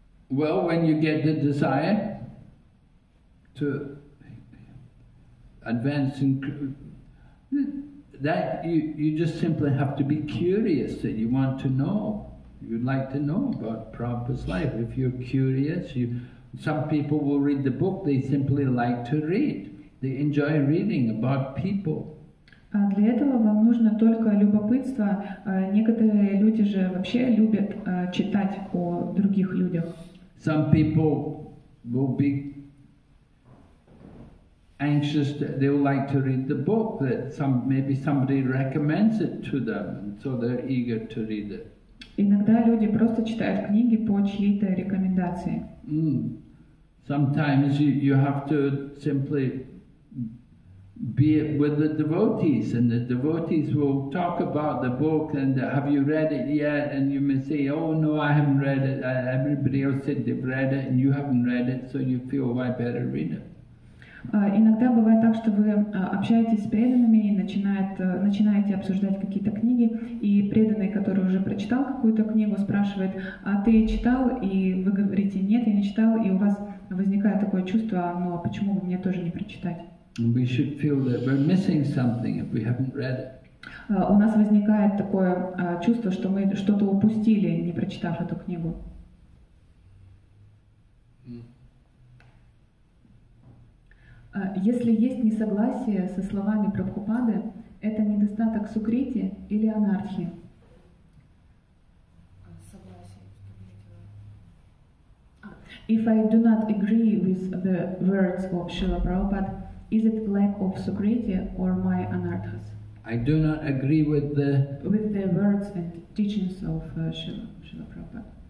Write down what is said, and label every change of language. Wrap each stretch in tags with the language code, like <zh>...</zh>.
<en>Well, when you get the desire to advance in that, you just simply have to be curious that you want to know. You'd like to know about Prabhupada's life. If you're curious, some people will read the book, they simply like to read. They enjoy reading about people.</en> <ru>Для этого вам нужно только любопытство. Некоторые люди же вообще любят читать о других людях.</ru> <en>Some people will be anxious, they will like to read the book that maybe somebody recommends it to them, and so they're eager to read it.</en> <ru>Иногда люди просто читают книги по чьей-то рекомендации.</ru> <en>Sometimes you have to simply be it with the devotees, and the devotees will talk about the book, and have you read it yet? And you may say, oh no, I haven't read it. Everybody else said they've read it, and you haven't read it, so you feel, well, I better read it.</en> <ru>Иногда бывает так, что вы общаетесь с преданными и начинаете обсуждать какие-то книги, и преданный, который уже прочитал какую-то книгу, спрашивает, а ты читал? И вы говорите, нет, я не читал, и у вас возникает такое чувство, ну а почему бы мне тоже не прочитать?</ru> <en>We should feel that we're missing something if we haven't read it.</en> <ru>У нас возникает такое чувство, что мы что-то упустили, не прочитав эту книгу. Если есть несогласие со словами Прабхупады, это недостаток сукрити или анархии?</ru> <en>If I do not agree with the words of Srila Prabhupada, is it lack of sukriti or my anarthas? I do not agree with the... with the words and teachings of Srila Prabhupada.</en>